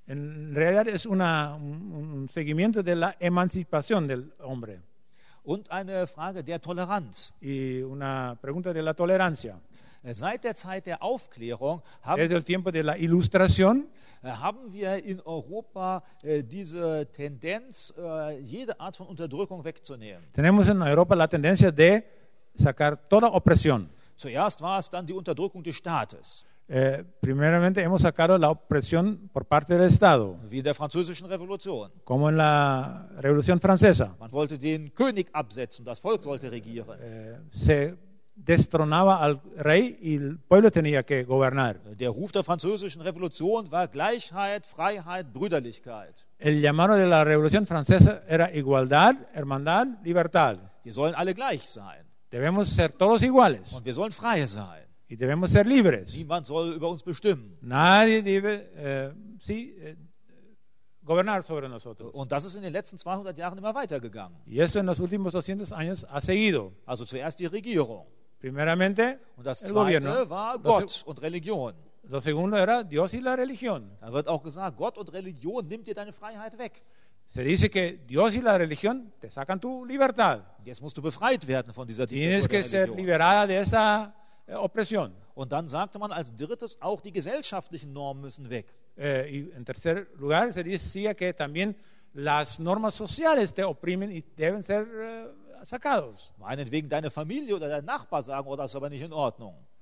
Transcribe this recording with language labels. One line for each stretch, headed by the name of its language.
Spanish: En realidad es una, un seguimiento de la emancipación del hombre.
German: Und eine Frage der Toleranz.
Spanish: Y una pregunta de la tolerancia.
German: Seit der Zeit der Aufklärung haben,
Spanish: desde el tiempo de la Ilustración,
German: haben wir in Europa diese Tendenz, jede Art von Unterdrückung wegzunehmen.
Spanish: Tenemos en Europa la tendencia de sacar toda opresión.
German: Zuerst war es dann die Unterdrückung des Staates.
Spanish: Primeramente hemos sacado la opresión por parte del Estado.
German: Wie in der französischen Revolution.
Spanish: Como en la Revolución Francesa.
German: Man wollte den König absetzen, das Volk sollte regieren.
Spanish: Se destronaba al rey y el pueblo tenía que gobernar.
German: Der Ruf der französischen Revolution war Gleichheit, Freiheit, Brüderlichkeit.
Spanish: El llamado de la Revolución Francesa era igualdad, hermandad, libertad.
German: Wir sollen alle gleich sein.
Spanish: Debemos ser todos iguales.
German: Und wir sollen frei sein.
Spanish: Y debemos ser libres.
German: Niemand soll über uns bestimmen.
Spanish: Nadie debe gobernar sobre nosotros.
German: Und das ist in den letzten 200 Jahren immer weitergegangen.
Spanish: Y eso en los últimos 200 años ha seguido.
German: Also zuerst die Regierung.
Spanish: Primeramente,
German: und das zweite gobierno. War Gott und Religion.
Spanish: Lo segundo era Dios y la religión.
German: Da wird auch gesagt, Gott und Religion nimmt dir deine Freiheit weg.
Spanish: Se dice que Dios y la religión te sacan tu libertad.
German: Jetzt musst du befreit werden von dieser Diktatur.
Spanish: Tienes que ser liberada de esa opresión.
German: Und dann sagte man als drittes, auch die gesellschaftlichen Normen müssen weg.
Spanish: Y en tercer lugar se decía que también las normas sociales te oprimen y deben ser sacados.
German: Meinetwegen deine Familie oder dein Nachbar sagen, oh, das ist aber nicht in Ordnung.